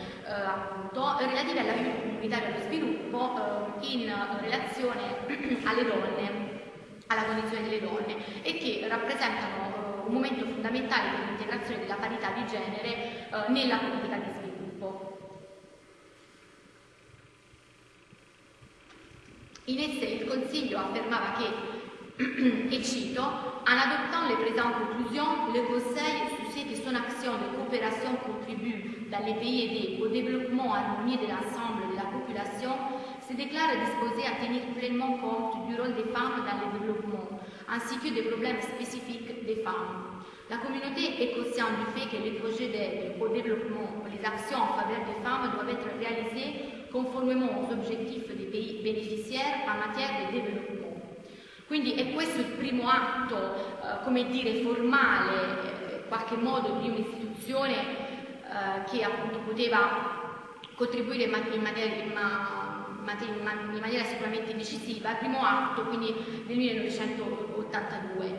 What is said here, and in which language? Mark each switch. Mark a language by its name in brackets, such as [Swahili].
[Italian] appunto, relative all'aiuto comunitario allo sviluppo in relazione alle donne, alla condizione delle donne, e che rappresentano un momento fondamentale per l'integrazione della parità di genere nella politica di sviluppo. In esse il Consiglio affermava che, e cito, [French] «En adoptant les présentes conclusions, le Conseil sur ces actions de coopération contribue dans les pays aidés au développement harmonieux de l'ensemble de la population, se déclare disposé à tenir pleinement compte du rôle des femmes dans le développement, ainsi que des problèmes spécifiques des femmes. La communauté est consciente du fait que les projets d'aide au développement, les actions en faveur des femmes doivent être réalisées conformément aux objectifs des pays bénéficiaires en matière de développement. [Italian] Quindi è questo il primo atto, come dire, formale, in qualche modo, di un'istituzione che appunto poteva contribuire in maniera sicuramente decisiva, il primo atto quindi del 1982.